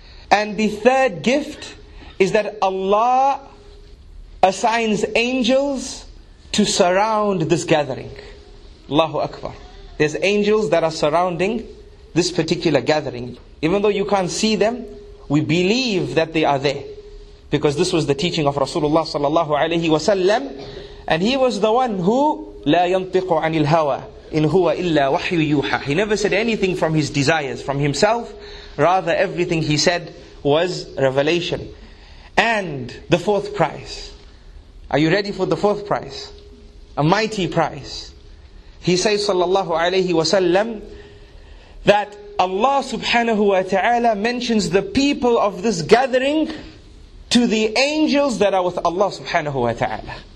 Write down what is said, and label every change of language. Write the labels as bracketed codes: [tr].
[en] And the third gift is that Allah assigns angels to surround this gathering. Allahu Akbar. There's angels that are surrounding this particular gathering. Even though you can't see them, we believe that they are there. Because this was the teaching of Rasulullah sallallahu alayhi wa sallam. And he was the one who, [ar] لا ينطق عن الهوى إن هو إلا وحي يوحى. [en] He never said anything from his desires, from himself. Rather, everything he said was revelation. And the fourth prize. Are you ready for the fourth prize? A mighty prize. He says sallallahu alayhi wa sallam that Allah subhanahu wa ta'ala mentions the people of this gathering to the angels that are with Allah subhanahu wa ta'ala.